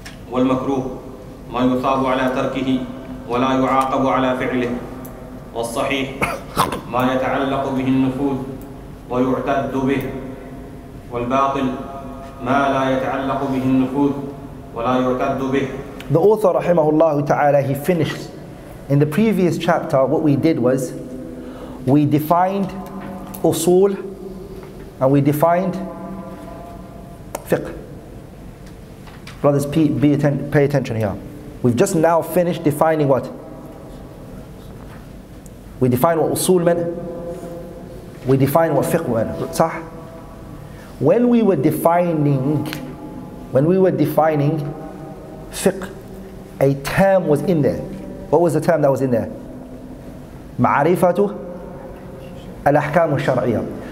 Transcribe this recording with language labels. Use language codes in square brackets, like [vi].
[ar] والمكروه ما يثاب على تركه ولا يعاقب على فعله. والصحيح ما يتعلق به النفوذ ويعتد به. والباطل ما لا يتعلق به النفوذ ولا يعتد به. [en] The author [ar] رحمه الله تعالى, [en] he finished. In the previous chapter, what we did was, we defined usul and we defined fiqh. Brothers, pay attention here. We've just now finished defining what? We defined what usul meant. We defined what fiqh meant. [ar] صح? [en] When we were defining fiqh, a term was in there. What was the term that was in there? [ar] معرفته الأحكام الشرعية.